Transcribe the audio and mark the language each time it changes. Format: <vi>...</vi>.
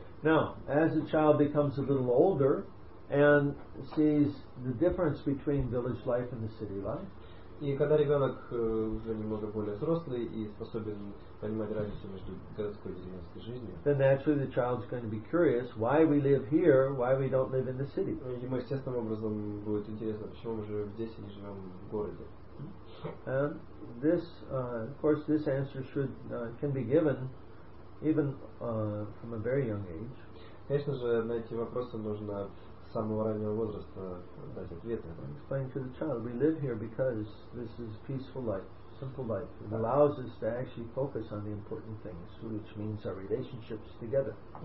<en>Now, as a child becomes a little older and sees the difference between village life and the city life.</en> <ru>И когда ребенок уже немного более взрослый и способен понимать разницу между городской и деревенской жизнью,</ru> <en>then actually the child's going to be curious why we live here, why we don't live in the city.</en> <ru>Ему естественным образом будет интересно, почему мы живем здесь, а не живем в городе.</ru> <en>And this, of course, this answer should can be given even from a very young age.</en> <ru>Конечно же, на эти вопросы нужно самого раннего возраста дать ответы.</ru> <en>Explain to the child, we live here because this is peaceful life, simple life. It allows us to actually focus on the important things, which means our relationships together.</en>